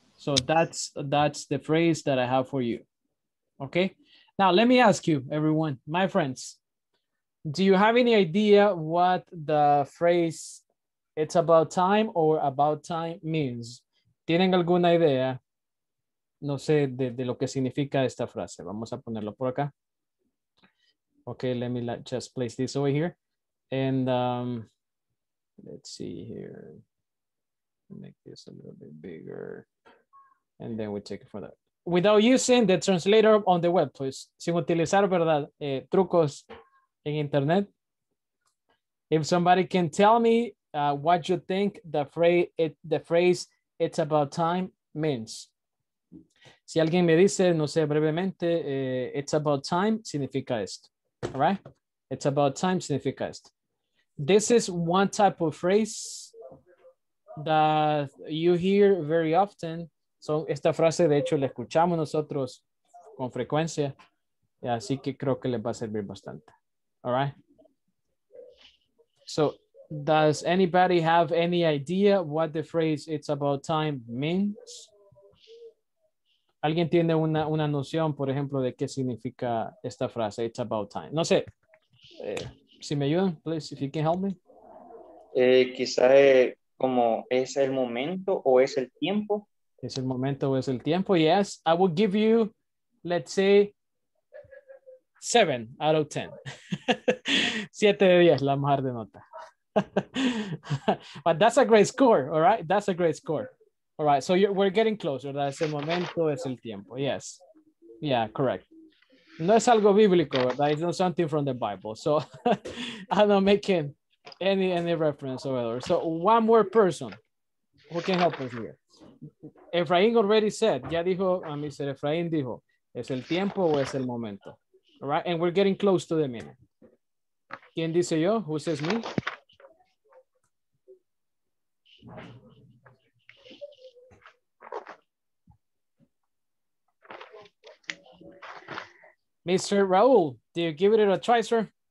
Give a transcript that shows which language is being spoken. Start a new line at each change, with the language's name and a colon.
English: So that's the phrase that I have for you, okay? Now, let me ask you, everyone, my friends, do you have any idea what the phrase it's about time or about time means?
Spanish: ¿Tienen alguna idea? No sé de lo que significa esta frase. Vamos a ponerlo por acá.
English: Okay, let me just place this over here. And let's see here. Make this a little bit bigger. And then we take it for that. Without using the translator on the web, please.
Spanish: Sin utilizar, ¿verdad? Trucos en internet.
English: If somebody can tell me what you think the phrase it's about time means.
Spanish: Si alguien me dice, no sé, brevemente, it's about time, significa esto.
English: All right? It's about time,
Spanish: significa esto.
English: This is one type of phrase that you hear very often.
Spanish: So, esta frase, de hecho, la escuchamos nosotros con frecuencia. Así que creo que les va a servir bastante.
English: All right? So, does anybody have any idea what the phrase it's about time means?
Spanish: ¿Alguien tiene una noción, por ejemplo, de qué significa esta frase, it's about time? No sé, si me ayudan,
English: please, if you can help me.
Spanish: Quizás como es el momento o es el tiempo. Es el momento o es el tiempo,
English: yes. I will give you, let's say, 7 out of 10.
Spanish: 7 de 10, la mejor de nota.
English: But that's a great score, all right? That's a great score. All right, so we're getting closer.
Spanish: Es el momento, es el tiempo.
English: Yes. Yeah, correct.
Spanish: No es algo bíblico, ¿verdad?
English: It's not something from the Bible. So I'm not making any reference or whatever. So one more person who can help us here. Efraín already said,
Spanish: ya dijo,
English: Mr.
Spanish: Efraín dijo, ¿es el tiempo o es el momento?
English: All right, and we're getting close to the minute.
Spanish: ¿Quién dice yo?
English: Who says me? Mr. Raul, do you give it a try, sir?